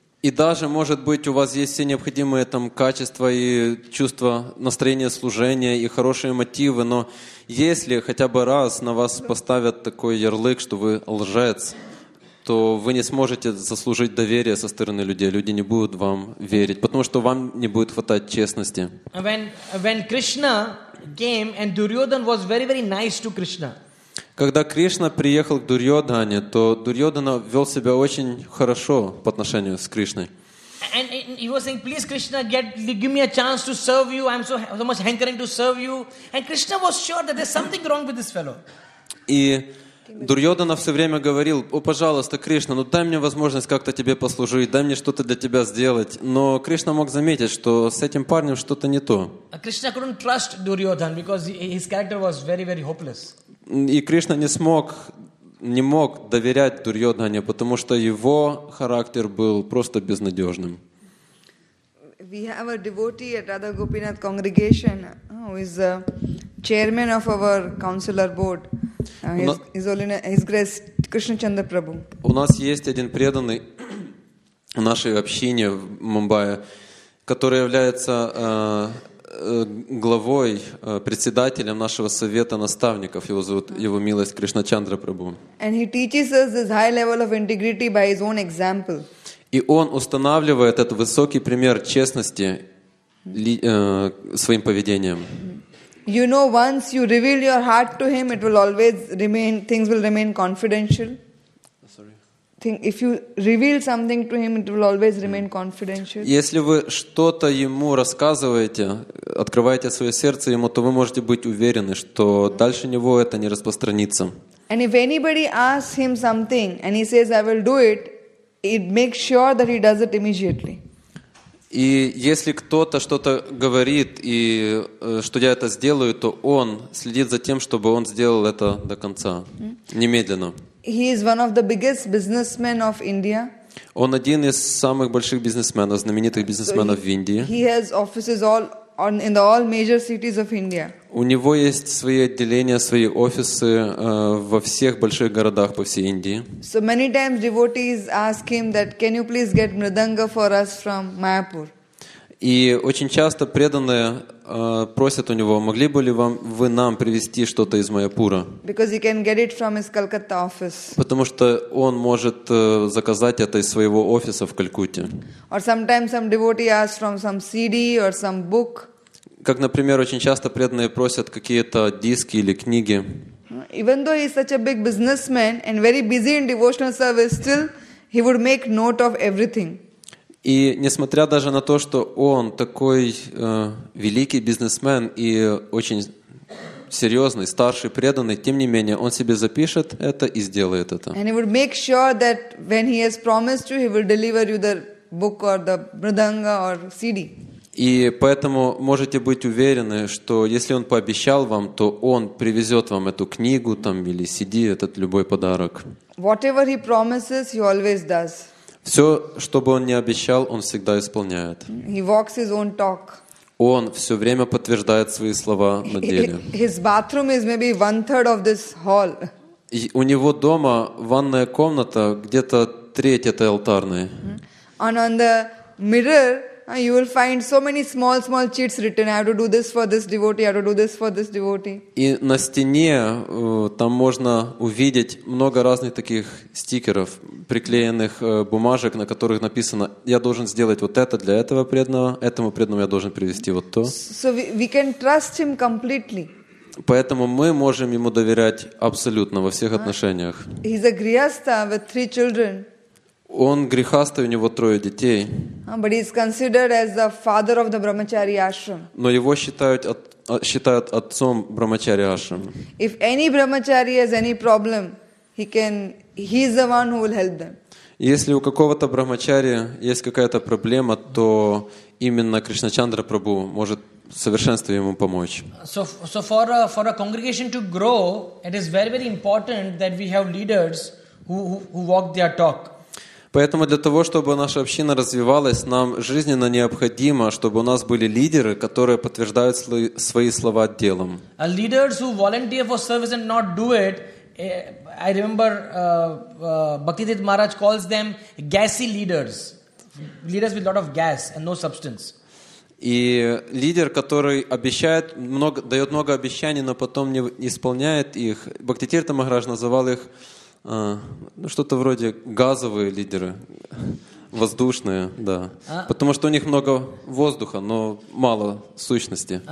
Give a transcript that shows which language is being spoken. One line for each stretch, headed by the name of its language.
Russian: И даже, может быть, у вас есть все необходимые там качества и чувства, настроение служения и хорошие мотивы, но если хотя бы раз на вас поставят такой ярлык, что вы лжец, то вы не сможете заслужить доверие со стороны людей. Люди не будут вам верить, потому что вам не будет хватать честности.
English: When Krishna came and Duryodhan was very, very nice to Krishna.
Russian: Когда Кришна приехал к Дурьодхане, то Дурьодхана вел себя очень хорошо по отношению с Кришной.
English: And he was saying, "Please, Krishna, give me a chance to serve you. I'm so much hankering to serve you." And Krishna was sure that there's something wrong with this fellow.
Russian: И Дурьодхана все время говорил: «О, пожалуйста, Кришна, ну дай мне возможность как-то тебе послужить, дай мне что-то для тебя сделать». Но Кришна мог заметить, что с этим парнем что-то не то.
English: Krishna couldn't trust Duryodhan because his character was very, very hopeless.
Russian: И Кришна не мог доверять Дурьодхане, потому что его характер был просто безнадежным.
English: We have a devotee at Radha Gopinath congregation who is the chairman of our counselor board. His grace Krishna Chandra Prabhu.
Russian: У нас есть один преданный нашей общине в Мумбаи, который является главой, председателем нашего совета наставников. Его зовут, его милость, Кришна Чандра Прабху.
English: And he teaches us this high level of integrity by his own example.
Russian: И он устанавливает этот высокий пример честности своим поведением.
English: You know, once you reveal your heart to him, it will always remain, things will remain confidential. If you reveal something to him, it will always remain confidential.
Russian: Если вы что-то ему рассказываете, открываете свое сердце ему, то вы можете быть уверены, что дальше него это не распространится.
English: And if anybody asks him something and he says, "I will do it," it makes sure that he does it immediately.
Russian: И если кто-то что-то говорит и что я это сделаю, то он следит за тем, чтобы он сделал это до конца, немедленно.
English: He is one of the biggest businessmen of India.
Russian: Он один из самых больших бизнесменов, знаменитых бизнесменов в Индии.
English: He has offices all on in the all major cities of India.
Russian: У него есть свои отделения, свои офисы во всех больших городах по всей Индии.
English: So many times devotees ask him that, can you please get mridanga for us from Mayapur?
Russian: И очень часто преданные просят у него, могли бы ли вам вы нам привезти что-то из Майяпура?
English: Because he can get it from his Calcutta office.
Russian: Потому что он может заказать это из своего офиса в Калькутте.
English: Or sometimes some devotee asks from some CD or some book.
Russian: Как, например, очень часто преданные просят какие-то диски или книги.
English: Even though he is such a big businessman and very busy in devotional service, still he would make note of everything.
Russian: И несмотря даже на то, что он такой великий бизнесмен и очень серьезный, старший, преданный, тем не менее, он себе запишет это и сделает это.
English: And he would make sure that when he has promised you, he will deliver you the book or the mridanga or CD.
Russian: И поэтому можете быть уверены, что если он пообещал вам, то он привезет вам эту книгу там, или CD, этот любой подарок.
English: Whatever he promises, he always does.
Russian: Все, что бы он ни обещал, он всегда исполняет.
English: He walks his own talk.
Russian: Он все время подтверждает свои слова на деле.
English: His bathroom is maybe one third of this hall.
Russian: И у него дома ванная комната где-то треть этой алтарной.
English: And on the mirror, you will find so many small, small cheats written. I have to do this for this devotee. I have to do this for this devotee.
Russian: И на стене там можно увидеть много разных таких стикеров, приклеенных бумажек, на которых написано: я должен сделать вот это для этого преданного, этому преданному я должен привести вот то.
English: So we can trust him completely.
Russian: Поэтому мы можем ему доверять абсолютно во всех отношениях.
English: He's a grihastha with three children.
Russian: Он грехастый, у него трое детей.
English: But he is considered as the father of the Brahmachari ashram.
Russian: Но его считают отцом Брахмачари ашрам.
English: If any Brahmachari has any problem, he is the one who will help them.
Russian: Если у какого-то Брахмачари есть какая-то проблема, то именно Кришначандра Прабху может в совершенстве ему помочь.
English: So for a congregation to grow, it is very very important that we have leaders who walk their talk.
Russian: Поэтому для того, чтобы наша община развивалась, нам жизненно необходимо, чтобы у нас были лидеры, которые подтверждают свои слова делом.
English: Leaders who volunteer for service and not do it, I remember Bhaktidit Maharaj calls them gassy leaders. Leaders with a lot of gas and no substance.
Russian: И лидер, который обещает, много, дает много обещаний, но потом не исполняет их, Бхактитирта Махарадж называл их что-то вроде газовые лидеры, воздушные, да. Потому что у них много воздуха, но мало сущности.